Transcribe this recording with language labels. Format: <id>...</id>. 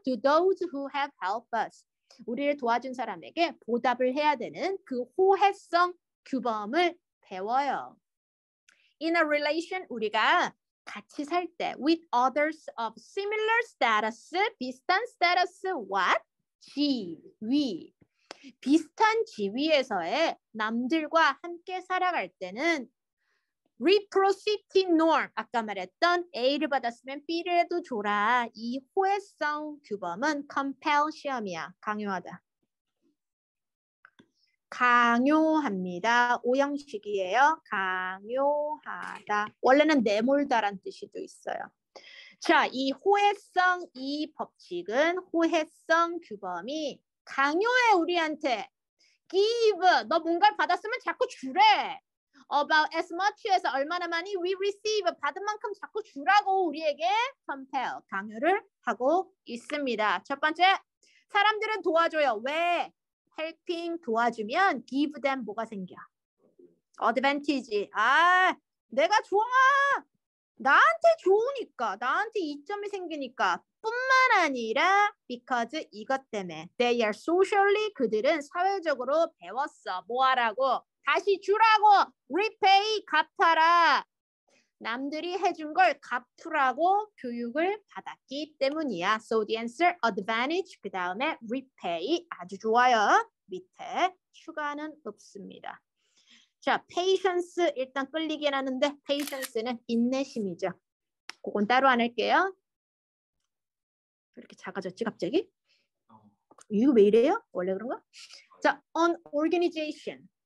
<en>To those who have helped us.</en> <ko>우리를 도와준 사람에게 보답을 해야 되는 그 호혜성 규범을 배워요.</ko> <en>In a relation,</en> <ko>우리가 같이 살 때</ko> <en>with others of similar status,</en> <ko>비슷한 status, what? 지위. 비슷한 지위에서의 남들과 함께 살아갈 때는</ko> <en>reciprocity norm,</en> <ko>아까 말했던 A를 받았으면 B를 해도 줘라. 이 호혜성 규범은 compel 시험이야. 강요하다. 강요합니다. 오형식이에요. 강요하다. 원래는 내몰다란 뜻이도 있어요. 자, 이 호혜성, 이 법칙은 호혜성 규범이 강요해 우리한테. Give. 너 뭔가를 받았으면 자꾸 주래.</ko> <en>About as much as</en> <ko>얼마나 많이</ko> <en>we receive.</en> <ko>받은 만큼 자꾸 주라고 우리에게 compel. 강요를 하고 있습니다. 첫 번째, 사람들은 도와줘요. 왜? Helping. 도와주면 give them 뭐가 생겨? Advantage. 아, 내가 좋아. 나한테 좋으니까. 나한테 이점이 생기니까. 뿐만 아니라 because 이것 때문에</ko> <en>they are socially,</en> <ko>그들은 사회적으로 배웠어. 뭐 하라고? 다시 주라고. repay, 갚아라. 남들이 해준 걸 갚으라고 교육을 받았기 때문이야.</ko> <en>So the answer, advantage,</en> <ko>그 다음에</ko> <en>repay.</en> <ko>아주 좋아요. 밑에 추가는 없습니다. 자, patience, 일단 끌리긴 하는데 patience는 인내심이죠. 그건 따로 안 할게요. 이렇게 작아졌지 갑자기? 이거 왜 이래요? 원래 그런가? 자,</ko> <en>an organization.</en>